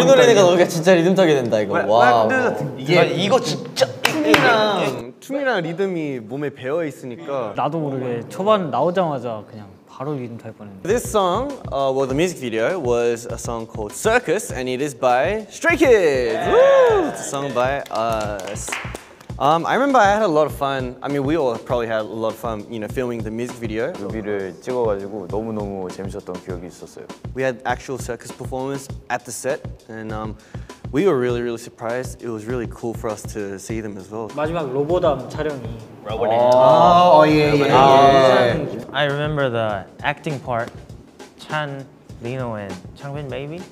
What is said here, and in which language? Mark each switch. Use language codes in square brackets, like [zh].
[ko] 우리 노래가 너가 진짜 리듬 타게 된다 이거. 와 이게 이거 진짜 춤이랑 리듬이 몸에 배어 있으니까 나도 모르게 초반 나오자마자 그냥. 바로 리듬 탈 뻔했네. [en] This song, well, the music video was a song called Circus and it is by Stray Kids. Yeah. It's a song by us. I remember I had a lot of fun. I mean, we all probably had a lot of fun, you know, filming the music video. [ko] 뮤비를 찍어가지고 너무너무 재밌었던 기억이 있었어요. [en] We had actual circus performance at the set and we were really, really surprised. It was really cool for us to see them as well. [ko] 마지막 로보담 촬영이 [en] Oh, yeah. I remember the acting part. Chan, Lino, and Changbin, maybe?